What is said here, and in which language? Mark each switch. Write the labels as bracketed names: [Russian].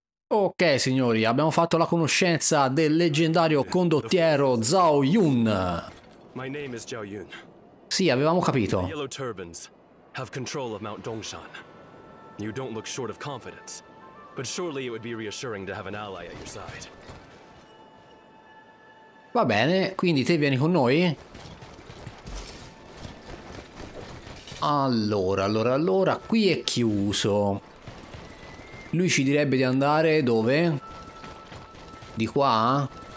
[Italian] Ok, signori, abbiamo fatto la conoscenza del leggendario condottiero Zhao Yun. [English] My name is Zhao Yun. [Italian] Sì, avevamo capito. [English] The Yellow Turbans have control of Mount Dongshan. You don't look short of confidence. But surely it would be reassuring to have an ally at your side. [Italian] Va bene, quindi te vieni con noi? Allora, qui è chiuso. Lui ci direbbe di andare dove? Di qua?